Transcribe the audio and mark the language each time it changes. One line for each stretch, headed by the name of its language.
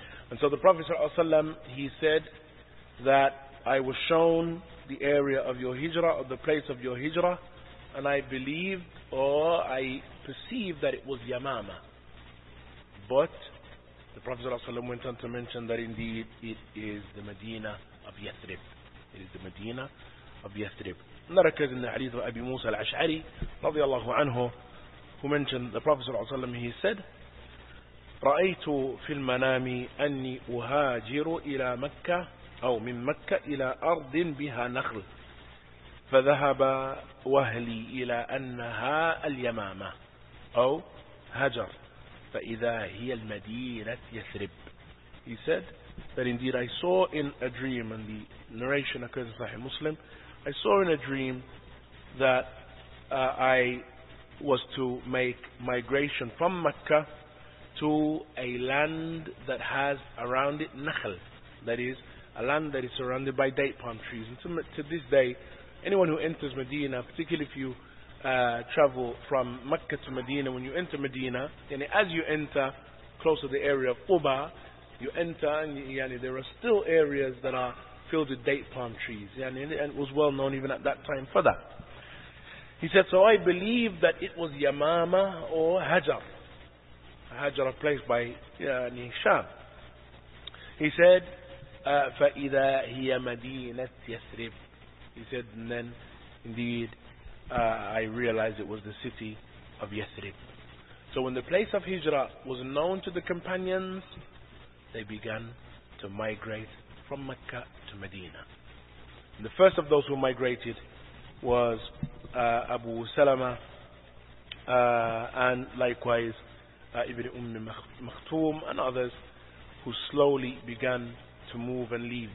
English: And so the Prophet ﷺ, he said that I was shown the area of your hijrah, or the place of your hijrah, and I believed or I perceived that it was Yamama. But the Prophet ﷺ went on to mention that indeed it is the Medina of Yathrib. It is the Medina of Yathrib. And that occurs in the hadith of Abi Musa al-Ash'ari, radiallahu anhu, who mentioned the Prophet ﷺ, he said,
Arabic: رَأَيْتُ فِي الْمَنَامِ أَنِّي أُهَاجِرُ إِلَى مَكَّةِ أو من مكة إلى أرض بها نخل فذهب وهلي إلى أنها اليمامة أو هجر فإذا هي المدينة يثرب.
English: He said that indeed I saw in a dream, and the narration occurs in Sahih Muslim, I saw in a dream that I was to make migration from Mecca to a land that has around it nakhl, that is a land that is surrounded by date palm trees. And to this day, anyone who enters Medina, particularly if you travel from Mecca to Medina, when you enter Medina, and as you enter close to the area of Quba, you enter and there are still areas that are filled with date palm trees. And it was well known even at that time for that. He said, so I believe that it was Yamama or Hajar. Hajar, a place by Sham. He said,
Arabic: فَإِذَا هِيَ مَدِينَةِ يَثْرِبِ.
English: He said, and then indeed I realized it was the city of Yathrib. So when the place of Hijrah was known to the companions, they began to migrate from Mecca to Medina. And the first of those who migrated was Abu Salama, and likewise Ibn Makhtum and others, who slowly began to move and leave.